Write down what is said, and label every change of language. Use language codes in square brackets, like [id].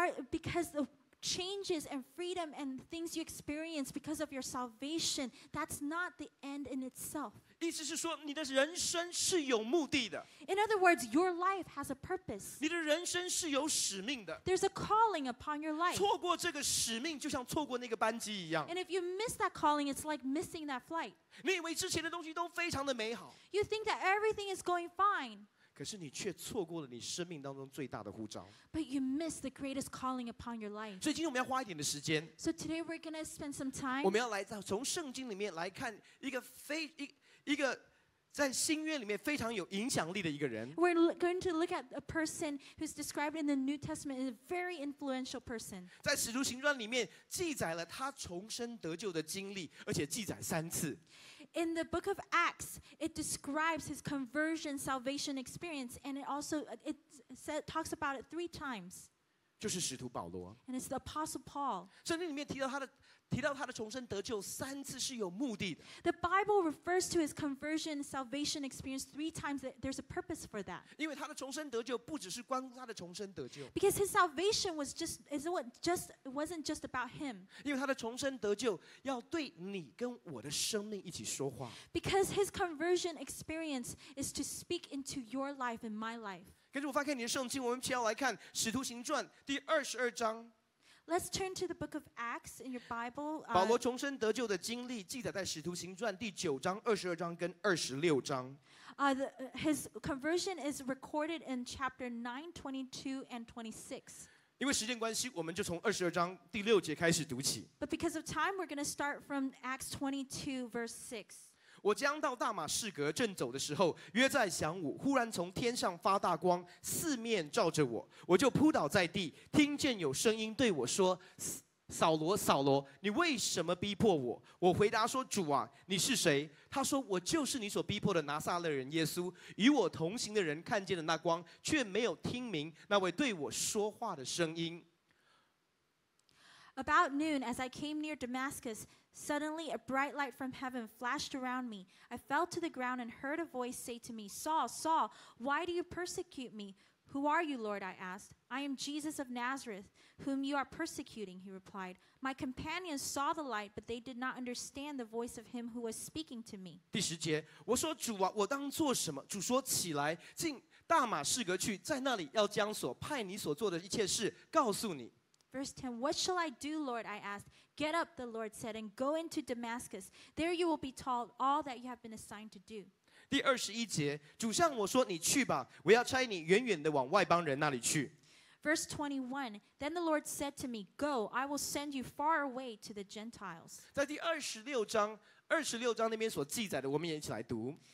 [en] Because the changes and freedom and things you experience because of your salvation, that's not the end in itself. [zh] 意思是说，你的人生是有目的的。 [en] In other words, your life has a purpose. [zh] 你的人生是有使命的。 [en] There's a calling upon your life. [zh] 错过这个使命，就像错过那个班机一样。 [en] And if you miss that calling, it's like missing that flight. [zh] 你以为之前的东西都非常的美好。 [en] You think that everything is going fine. [zh] 可是你却错过了你生命当中最大的呼召。 [en] But you miss the greatest calling upon your life. [zh] 所以今天我们要花一点的时间。 [en] So today we're going to spend some time. [zh] 我们要来从圣经里面来看一个在新约里面非常有影响力的一个人。 [en] We're going to look at a person who's described in the New Testament as a very influential person. [zh] 在使徒行传里面记载了他重生得救的经历，而且记载三次。 [en] In the book of Acts, it describes his conversion salvation experience, and it also talks about it three times. [zh] 就是使徒保罗。 [en] And it's the Apostle Paul. [zh] 圣经里面提到他的重生得救三次是有目的的。 [en] The Bible refers to his conversion salvation experience three times. There's a purpose for that. [zh] 因为他的重生得救不只是关乎他的重生得救。 [en] Because his salvation was wasn't just about him. [zh] 因为他的重生得救要对你跟我的生命一起说话。 [en] Because his conversion experience is to speak into your life and my life. [zh] 跟着我翻开你的圣经，我们先要来看《使徒行传》第二十二章。 [en] Let's turn to the book of Acts in your Bible. [zh] 保罗重生得救的经历记载在《使徒行传》第九章、二十二章跟二十六章。 [en] His conversion is recorded in chapter 9, 22 and 26. [zh] 因为时间关系，我们就从二十二章第六节开始读起。 [en] But because of time, we're going to start from Acts 22, verse 6. [zh] 我将到大马士革正走的时候，约在晌午，忽然从天上发大光，四面照着我，我就扑倒在地，听见有声音对我说：扫罗，扫罗，你为什么逼迫我？我回答说：主啊，你是谁？他说：我就是你所逼迫的拿撒勒人耶稣。与我同行的人看见了那光，却没有听明那位对我说话的声音。 [en] About noon, as I came near Damascus, suddenly a bright light from heaven flashed around me. I fell to the ground and heard a voice say to me, Saul, Saul, why do you persecute me? Who are you, Lord? I asked. I am Jesus of Nazareth, whom you are persecuting, he replied. My companions saw the light, but they did not understand the voice of him who was speaking to me. [zh] 第10节, 我说, 主啊, 我当做什么?主说, 起来, 进大马士革去, 在那里要将所派你所做的一切事告诉你。 [en] Verse 10, what shall I do, Lord? I asked. Get up, the Lord said, and go into Damascus. There you will be told all that you have been assigned to do. [zh] 第21节, 主向我说, 你去吧, 我要差你远远地往外邦人那里去。 [en] Verse 21, then the Lord said to me, go, I will send you far away to the Gentiles. [zh] 在第26章, 26章那边所记载的, 我们也一起来读。